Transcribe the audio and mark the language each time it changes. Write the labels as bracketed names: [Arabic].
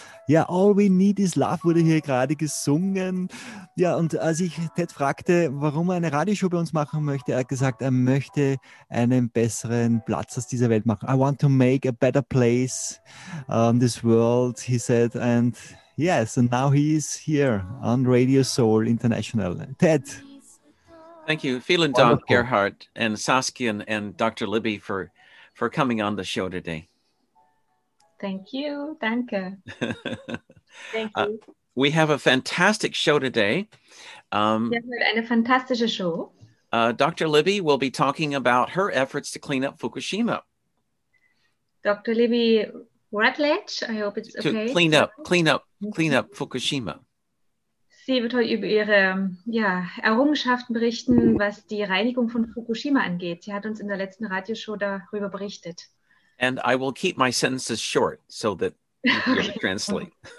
[German] Ja, All We Need Is Love wurde hier gerade gesungen. Ja, und als ich Ted fragte, warum er eine Radioshow bei uns machen möchte, er hat gesagt, er möchte einen besseren Platz aus dieser Welt machen. [English] I want to make a better place this world, he said. And yes, and now he is here on Radio Soul International. Ted. Thank you. [German] Vielen Dank, [English] Gerhard and Saskia and Dr. Libby for coming on the show today. Thank you. [German] Danke. [English] Thank you. We have a fantastic show today. [German] Eine fantastische Show. [English] Dr. Libby will be talking about her efforts to clean up Fukushima. Dr. Libby Rutledge, I hope it's to okay. Clean up Fukushima. [German] Sie wird heute über ihre Errungenschaften berichten, was die Reinigung von Fukushima angeht. Sie hat uns in der letzten Radioshow darüber berichtet. [English] And I will keep my sentences short so that you can translate.